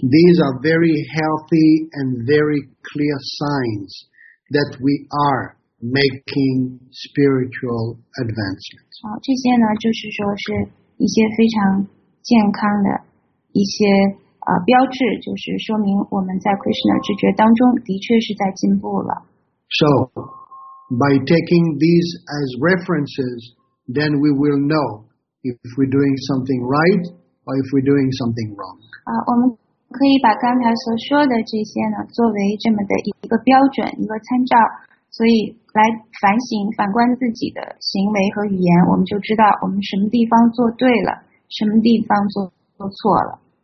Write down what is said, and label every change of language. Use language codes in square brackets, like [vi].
[en] These are very healthy and very clear signs that we are making spiritual advancements. [zh] 这些呢，就是说是一些非常健康的一些标志，就是说明我们在 Krishna 知觉当中的确是在进步了。 [en] So,By taking these as references, then we will know if we're doing something right or if we're doing something wrong. [zh] 我们可以把刚才所说的这些呢，作为这么的一个标准，一个参照，所以来反省、反观自己的行为和语言，我们就知道我们什么地方做对了，什么地方做错了。